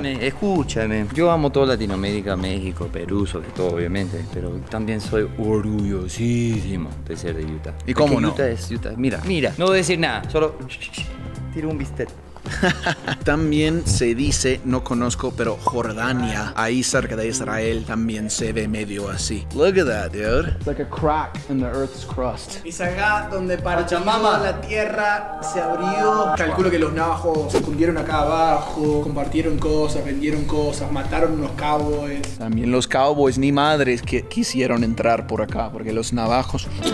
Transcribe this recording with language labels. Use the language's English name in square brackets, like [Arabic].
[Spanish] Escúchame, yo amo toda Latinoamérica, México, Perú, sobre todo, obviamente, pero también soy orgullosísimo de ser de Utah. ¿Y cómo no? Utah es Utah. Mira, no voy a decir nada, solo tiro un bistec. También se dice, no conozco, pero Jordania, ahí cerca de Israel, también se ve medio así. [English] Look at that, dude. It's like a crack in the earth's crust. [Spanish] Es acá donde Pachamama, la tierra, se abrió. Calculo que los navajos se escondieron acá abajo, compartieron cosas, vendieron cosas, mataron unos cowboys. También los cowboys ni madres que quisieron entrar por acá, porque los navajos...